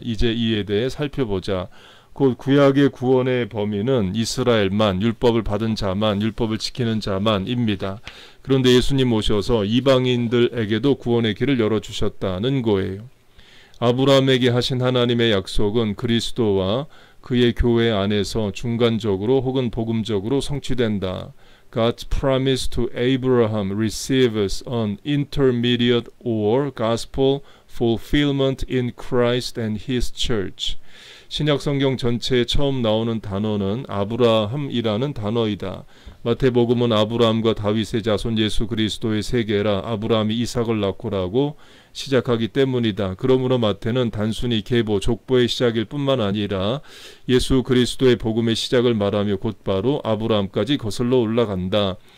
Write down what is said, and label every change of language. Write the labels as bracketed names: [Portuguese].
[Korean] 이제 이에 대해 살펴보자. 곧 구약의 구원의 범위는 이스라엘만, 율법을 받은 자만, 율법을 지키는 자만입니다. 그런데 예수님 오셔서 이방인들에게도 구원의 길을 열어주셨다는 거예요. 아브라함에게 하신 하나님의 약속은 그리스도와 그의 교회 안에서 중간적으로 혹은 복음적으로 성취된다. [English] God's promise to Abraham receives an intermediate or gospel fulfillment in Christ and His church. [Korean] 신약성경 전체에 처음 나오는 단어는 아브라함이라는 단어이다. 마태복음은 아브라함과 다윗의 자손 예수 그리스도의 세계라 아브라함이 이삭을 낳고라고 시작하기 때문이다. 그러므로 마태는 단순히 계보, 족보의 시작일 뿐만 아니라 예수 그리스도의 복음의 시작을 말하며 곧바로 아브라함까지 거슬러 올라간다.